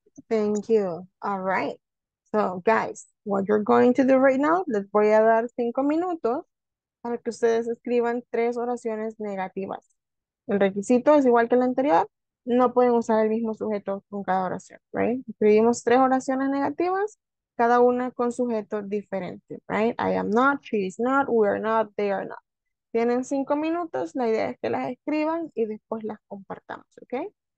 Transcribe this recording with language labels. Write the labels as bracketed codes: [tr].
[en] Thank you. All right. So, guys, what you're going to do right now, [es] les voy a dar 5 minutos para que ustedes escriban 3 oraciones negativas. El requisito es igual que el anterior. No pueden usar el mismo sujeto con cada oración, right? Escribimos 3 oraciones negativas, cada una con sujeto diferente, right? [en] I am not, she is not, we are not, they are not. [es] Tienen 5 minutos, la idea es que las escriban y después las compartamos, okay?